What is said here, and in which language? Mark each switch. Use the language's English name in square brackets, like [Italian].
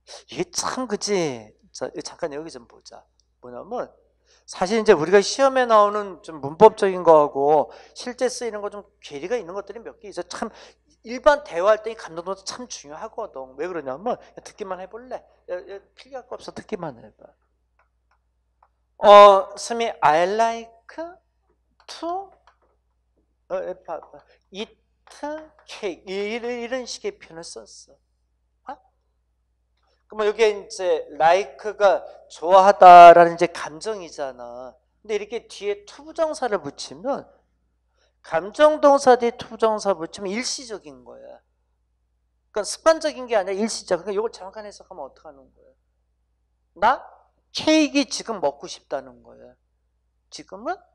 [Korean] 이게 참 그지? 자, 잠깐 여기 좀 보자. 뭐냐면 사실 이제 우리가 시험에 나오는 좀 문법적인 거하고 실제 쓰이는 거좀 괴리가 있는 것들이 몇개 있어. 참 일반 대화할 때 감정동사 참 중요하거든. 왜 그러냐면 듣기만 해볼래? 필요할 거 없어. 듣기만 해봐. [English] 선생님, I like to eat cake. [Korean] 이런 식의 표현을 썼어. 그러면 여기에 이제 like가 좋아하다라는 이제 감정이잖아. 근데 이렇게 뒤에 투부정사를 붙이면 감정동사 뒤에 투부정사 붙이면 일시적인 거야. 그러니까 습관적인 게 아니라 일시적. 그러니까 이걸 정확한 해석하면 어떡하는 거야? 나 케이크 지금 먹고 싶다는 거야. 지금은?